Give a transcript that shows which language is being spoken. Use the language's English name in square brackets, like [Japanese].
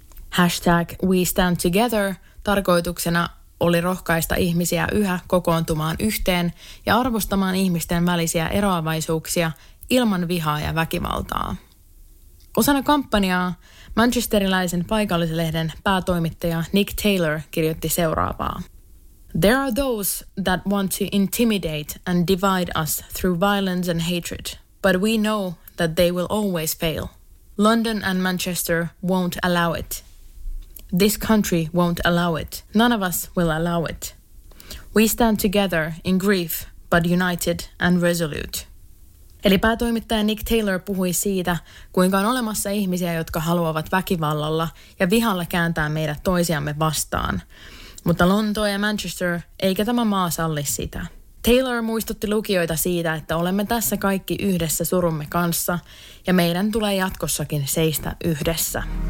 [Finnish] Hashtag We Stand Together tarkoituksena oli rohkaista ihmisiä yhä kokoontumaan yhteen ja arvostamaan ihmisten välisiä eroavaisuuksia ilman vihaa ja väkivaltaa. Osana kampanjaa manchesteriläisen paikallislehden päätoimittaja Nick Taylor kirjoitti seuraavaa. [English] There are those that want to intimidate and divide us through violence and hatred, but we know that they will always fail. London and Manchester won't allow it. This country won't allow it. None of us will allow it. We stand together in grief, but united and resolute. [Finnish] Eli päätoimittaja Nick Taylor puhui siitä, kuinka on olemassa ihmisiä, jotka haluavat väkivallalla ja vihalla kääntää meidät toisiamme vastaan. Mutta Lontoa ja Manchester, eikä tämä maa salli sitä. Taylor muistutti lukijoita siitä, että olemme tässä kaikki yhdessä surumme kanssa ja meidän tulee jatkossakin seistä yhdessä.